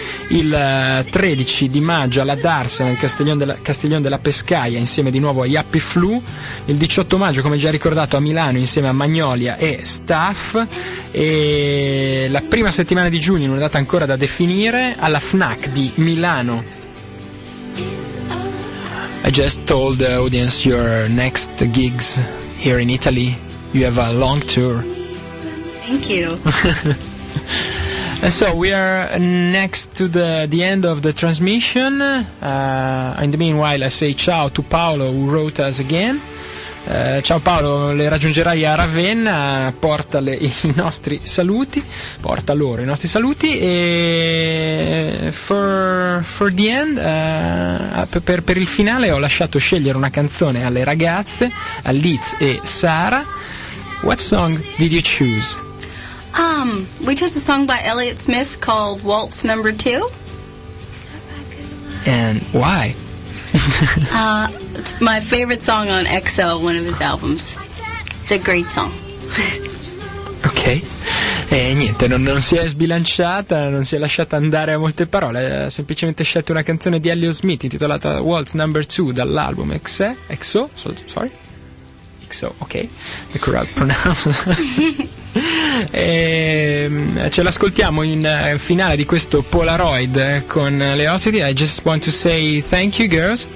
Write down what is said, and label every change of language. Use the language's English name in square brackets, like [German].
[Italian] il 13 di maggio alla Darsena, nel Castiglione della Pescaia, insieme di nuovo a Yappy Flu. Il 18 maggio, come già ricordato, a Milano insieme a Magnolia e Staff. E la prima settimana di giugno, in una data ancora da definire, alla FNAC di Milano. [English] I just told the audience your next gigs here in Italy. You have a long tour. Thank you. And so we are next to the end of the transmission. In the meanwhile, I say ciao to Paolo, who wrote us again. [Italian] Ciao Paolo, le raggiungerai a Ravenna, portale i nostri saluti, porta loro i nostri saluti. E [English] for the end, [Italian] per il finale, ho lasciato scegliere una canzone alle ragazze, a Liz e Sara. [English] What song did you choose? We chose a song by Elliott Smith called Waltz Number 2. And why? It's my favorite song on XL, one of his albums. It's a great song. Ok. [Italian] E niente, non si è sbilanciata, non si è lasciata andare a molte parole. Ha semplicemente scelto una canzone di Elliott Smith intitolata Waltz Number 2 dall'album XO. [English] Sorry. [Italian] XO, ok. [English] The correct pronunciation. [Italian] ce l'ascoltiamo in finale di questo Polaroid con le ospiti. [English] I just want to say thank you, girls.